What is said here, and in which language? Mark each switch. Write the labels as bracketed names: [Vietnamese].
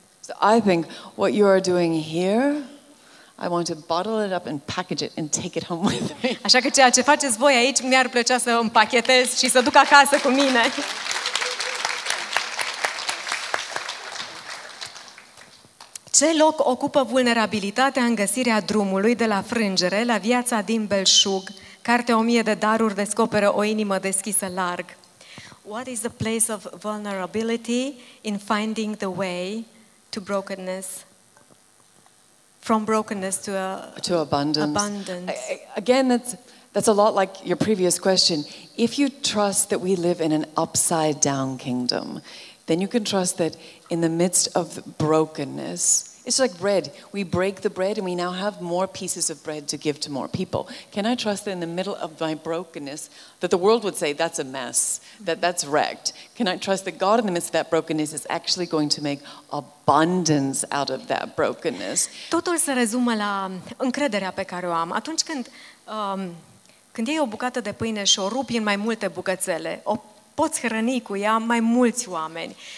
[English] So I think what you are doing here, I want to bottle it up and package it and take it home with me. [Romanian] Așa că ceea ce faceți voi aici, mi-ar plăcea să împachetez și să duc acasă cu mine. Ce loc ocupă vulnerabilitatea în găsirea drumului de la frângere la viața din belșug? Cartea 1000 de daruri descoperă o inimă deschisă larg. [English] What is the place of vulnerability in finding the way to brokenness? From brokenness to abundance. Abundance. Again, that's a lot like your previous question. If you trust that we live in an upside down kingdom, then you can trust that in the midst of brokenness, it's like bread. We break the bread and we now have more pieces of bread to give to more people. Can I trust that in the middle of my brokenness, that the world would say, that's a mess, that that's wrecked? Can I trust that God in the midst of that brokenness is actually going to make abundance out of that brokenness? [Romanian] Totul se rezumă la încrederea pe care o am. Atunci când, când iei o bucată de pâine și o rupi în mai multe bucățele, o poți hrăni cu ea mai mulți oameni.